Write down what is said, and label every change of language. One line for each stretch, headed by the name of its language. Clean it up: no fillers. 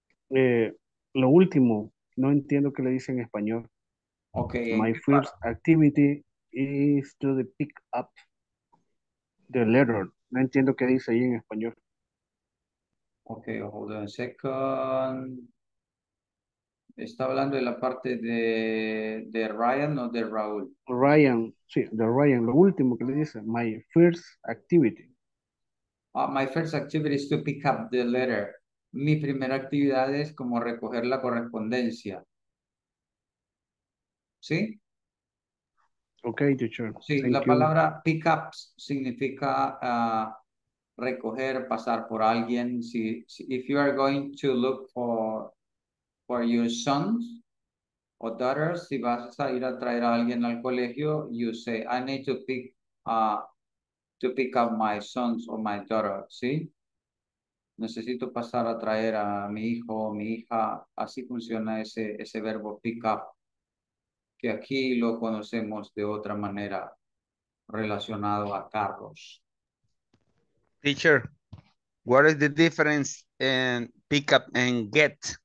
Spanish: Lo último, no entiendo qué le dice en español.
English: Okay. My first activity is to the pick up the letter.
Spanish: No entiendo qué dice ahí en español.
English: Okay, hold on a second.
Spanish: ¿Está hablando de la parte de Ryan o de Raúl? Ryan, sí, de Ryan. Lo último que le dice,
English: my first activity. My first activity is to pick up the letter.
Spanish: Mi primera actividad es como recoger la correspondencia. ¿Sí?
English: Okay, teacher.
Spanish: Sí,
English: thank
Spanish: la
English: you.
Spanish: Palabra pick up significa recoger, pasar por alguien. Si,
English: if you are going to look for your sons or daughters,
Spanish: si vas a ir a traer a alguien al colegio,
English: you say, I need to pick to pick up my sons or my daughter,
Spanish: ¿sí? Necesito pasar a traer a mi hijo o mi hija. Así funciona ese verbo pick up, que aquí lo conocemos de otra manera relacionado a carros.
English: Teacher, what is the difference in pick up and get?